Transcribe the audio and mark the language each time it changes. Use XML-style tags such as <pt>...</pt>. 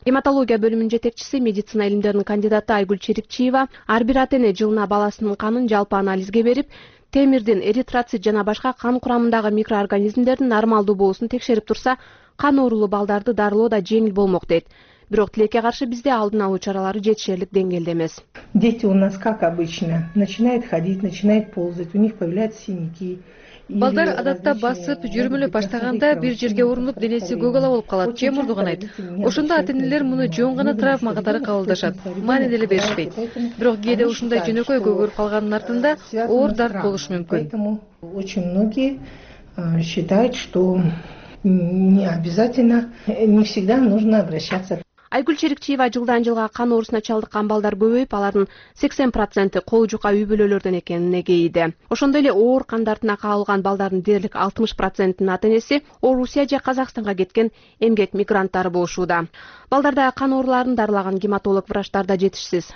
<ky>Гематология бөлүмүнүн жетекчиси, медицина илимдеринин кандидаты Айгүл Черепчиева ар бир ата эне жылына баласынын канын жалпы анализге берип темирдин, эритроцит жана башка кан курамындагы микроорганизмдердин нормалдуу болуусун текшерип турса кан оорулуу балдарды дарылоо да жеңил болмок дейт. Бирок тилекке каршы бизде алдын алуу чаралары жетишерлик деңгээлде эмес.</ky> <ru>Дети у нас как обычно начинают ходить, начинают ползать, у них появляются синяки.</ru> <ky>Балдар адатта басып, жүрмөлөп баштаганда бир жерге урунуп денеси көк ала болуп калат, же мурдуганайт. Ошондо ата энелер муну жөн гана травма катары кабылдашат, маани деле беришпейт. Бирок кээде ушундай жөнөкөй көгөрүп калганын артында оор дарт болушу мүмкүн.</ky> <ru>Очень многие считают, что не обязательно, не всегда нужно обращаться.</ru> <ky>Айгүл Черикчиева жылдан жылга кан оорусуна чалдыккан балдар көбөйүп, алардын 80% кол жука үй бүлөлөрдөн экенин эгейиде. Ошондой эле оор кан дартына кабылган балдардын дээрлик 60%нын ата энеси Орусия же Казакстанга кеткен эмгек мигранттары болушууда. Балдарда кан ооруларын дарылаган гематолог врачтар да жетишсиз.</ky>